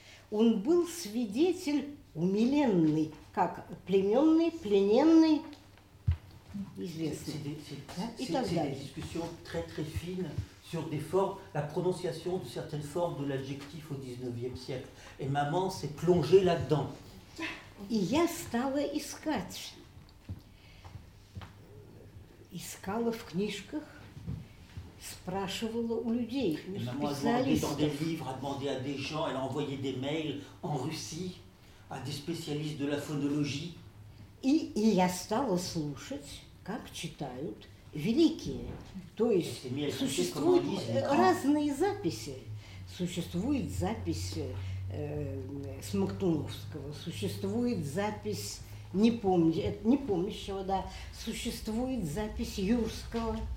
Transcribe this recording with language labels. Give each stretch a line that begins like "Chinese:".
Russian: он был свидетель умиленный, как плененный, плененный, известный.
French: C'est des discussions très très fines sur des formes, la prononciation de certaines formes de l'adjectif au XIXe siècle. Et maman s'est plongée là-dedans.
Russian: И я стала искала в книжках, спрашивала у людей, у специалистов.
French: Dans des livres, a demandé à des gens, elle a envoyé des mails en Russie à des spécialistes de la phonologie.
Russian: И я стала слушать, как читают великие. То есть существуют разные записи. Существует запись Смоктуновского, существует запись Непомнящего, существует запись Юрского.